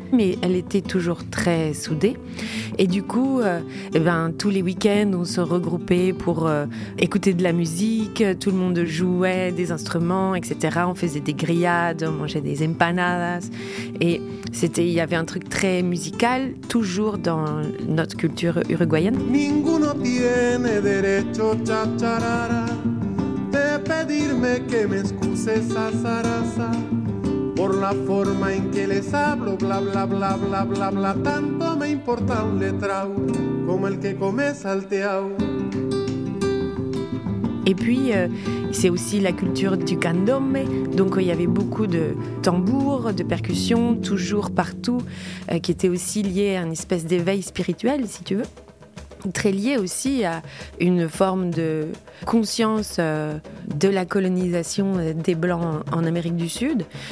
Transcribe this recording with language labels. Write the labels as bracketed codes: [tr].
[fr] Mais elle était toujours très soudée. Et du coup, tous les week-ends, on se regroupait pour écouter de la musique. Tout le monde jouait des instruments, etc. On faisait des grillades, on mangeait des empanadas. Et il y avait un truc très musical, toujours dans notre culture uruguayenne. [es] Ninguno tiene derecho, chacharara, de pedirme que me excuses a zaraza, por la forma en que les hablo, bla, bla, bla, bla, bla, bla, tanto me importa un letrao, como el que come salteao. [fr] Et puis, c'est aussi la culture du candombe. Donc, il y avait beaucoup de tambours, de percussions, toujours partout, qui étaient aussi liés à une espèce d'éveil spirituel, si tu veux. Très liés aussi à une forme de conscience de la colonisation des Blancs en Amérique du Sud.